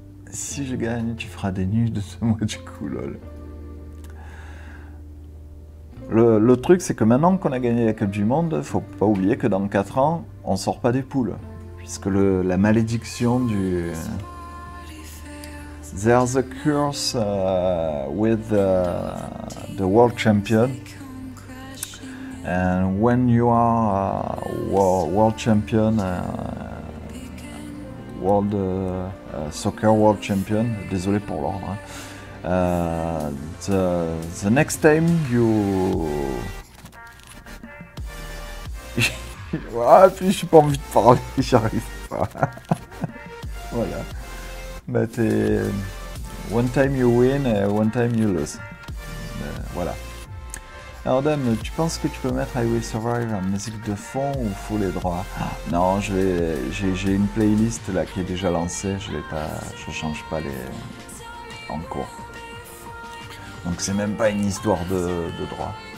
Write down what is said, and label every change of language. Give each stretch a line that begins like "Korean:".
French: Si je gagne, tu feras des nudes de ce mois du coup, lol. Le truc, c'est que maintenant qu'on a gagné la Coupe du Monde, faut pas oublier que dans 4 ans, on sort pas des poules. Puisque la malédiction du...
English: There's a curse with the world champion, and when you are world champion, world soccer world champion.
French: Désolé pour l'ordre. Hein.
English: The next time you,
French: ah puis j'ai pas envie de parler, j'arrive pas. Voilà. Mais t'es...
English: One time you win, one time you lose.
French: Voilà. Alors Dame, tu penses que tu peux mettre I Will Survive en musique de fond ou faut les droits? Non, j'ai une playlist là qui est déjà lancée, je change pas les... en cours. Donc c'est même pas une histoire de droits.